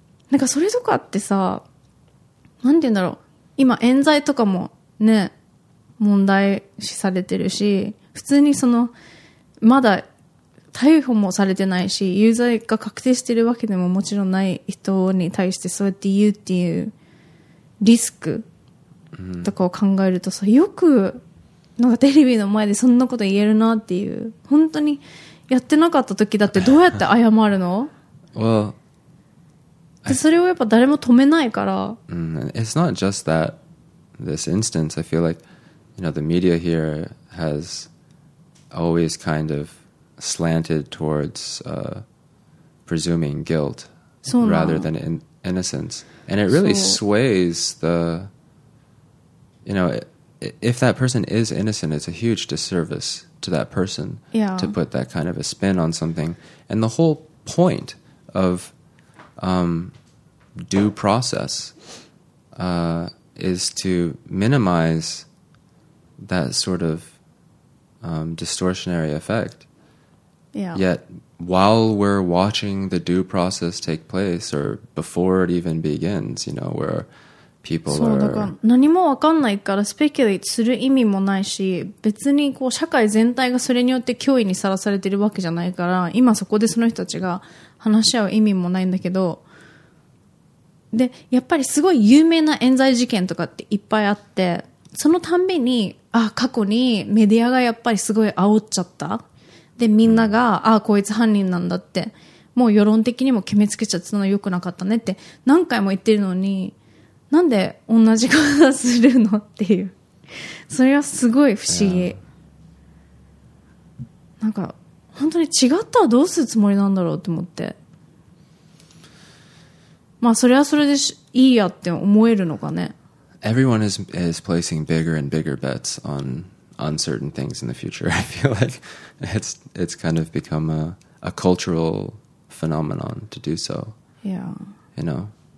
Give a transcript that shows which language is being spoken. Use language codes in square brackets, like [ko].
[ja] なんかそれとかってさ、なんて言うんだろう、今冤罪とかもね問題視されてるし、普通にそのまだ逮捕もされてないし、有罪が確定してるわけでももちろんない人に対してそうやって言うっていうリスクとかを考えるとさ、よくなんかテレビの前でそんなこと言えるなっていう、本当にやってなかった時だってどうやって謝るの？ [en] Well, [ja] でそれをやっぱ誰も止めないから、 [en] It's not just that this instance. I feel like, you know, the media here has always kind of slanted towards presuming guilt rather than innocence. And it really sways the, you know, if that person is innocent, it's a huge disservice to that person to put that kind of a spin on something. And the whole point of due process is to minimize that sort of distortionary effect. Yeah. Yet, while we're watching the due process take place, or before it even begins, you know, where people are... [ja] そう、だから何も分かんないからスペキュレートする意味もないし、別にこう社会全体がそれによって脅威にさらされてるわけじゃないから、今そこでその人たちが話し合う意味もないんだけど、で、やっぱりすごい有名な冤罪事件とかっていっぱいあって、そのたんびに、過去にメディアがやっぱりすごい煽っちゃった。でみんなが、こいつ犯人なんだって、もう世論的にも決めつけちゃってたのは良くなかったねって何回も言ってるのに、なんで同じことするのっていう、それはすごい不思議。なんか本当に違ったらどうするつもりなんだろうって思って、まあそれはそれでいいやって思えるのかね。 [en] Everyone is placing bigger and bigger bets onUncertain things in the future. I feel like it's kind of become a cultural phenomenon to do so. Yeah. You know.